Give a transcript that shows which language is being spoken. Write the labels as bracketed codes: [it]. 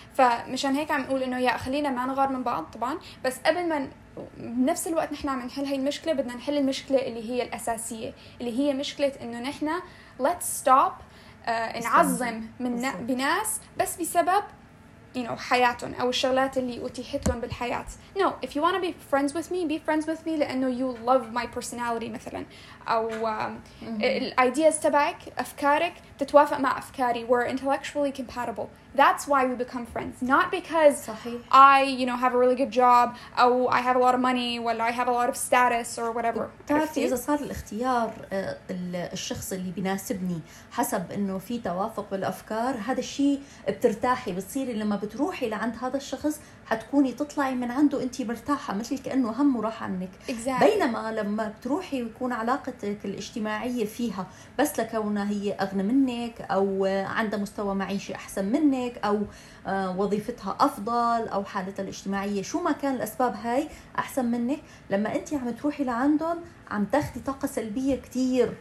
[ar] فمشان هيك عم نقول انه يا خلينا ما نغار من بعض طبعا، بس قبل ما بنفس الوقت نحن عم نحل هاي المشكله بدنا نحل المشكله اللي هي الاساسيه، اللي هي مشكله انه نحن [en] let's stop [ar] نعظم من بناس بس بسبب [en] you know [ar] حياتهم او الشغلات اللي اتيحت لهم بالحياه. [en] No, if you want to be friends with me, be friends with me [ar] لانه [en] you love my personality [ar] مثلا، او الايديز تبعك افكارك تتوافق مع افكاري، [en] we're intellectually compatible, that's why we become friends, not because [ar] صحيح. [en] I you know have a really good job [ar] او [en] I have a lot of money [ar] ولا [en] I have a lot of status or whatever. [ar] بتعرفي اذا صار الاختيار الشخص اللي بيناسبني حسب انه في توافق بالافكار، هذا الشيء بترتاحي، بتصيري لما بتروحي لعند هذا الشخص حتكوني تطلعي من عنده انت مرتاحه، مثل كانه همه راح عنك. [en] Exactly. [ar] بينما لما بتروحي ويكون علاقتك الاجتماعيه فيها بس لكونها هي اغنى منك او عندها مستوى معيشي احسن منك او وظيفتها افضل او حالتها الاجتماعيه شو ما كان الاسباب هاي احسن منك، لما انت عم تروحي لعندهم عم تاخدي طاقه سلبيه كتير.